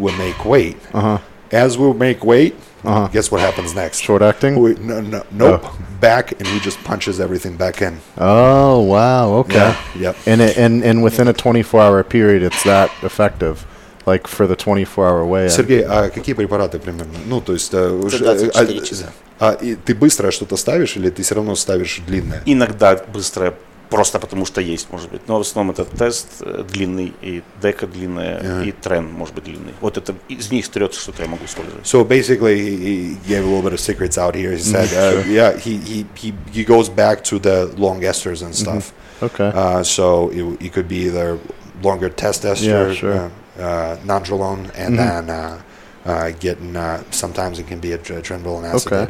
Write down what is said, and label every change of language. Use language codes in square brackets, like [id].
[en] We make weight. Uh-huh. As we make weight, uh-huh. guess what happens next? Short acting? Nope. Oh. Back, and he just punches everything back in. Oh, wow. Okay. Yeah. Yep. And within a 24-hour period, it's that effective. Like for the 24-hour weigh-in. [ru] Сергей, а какие препараты примерно? Ну, то есть... 24 часа. И ты быстро что-то ставишь или ты все равно ставишь длинное? Иногда быстро, просто потому что есть, может быть. Но в основном это тест длинный, и дека длинная, uh-huh. и трен может быть длинный. Вот это из них трется, что-то я могу использовать. [en] So basically, he gave a little bit of secrets out here. He said, he goes back to the long esters and stuff. Mm-hmm. Okay. So it could be either longer test esters, yeah, sure. Nandrolone, and mm-hmm. then... sometimes it can be a trenbolone acetate.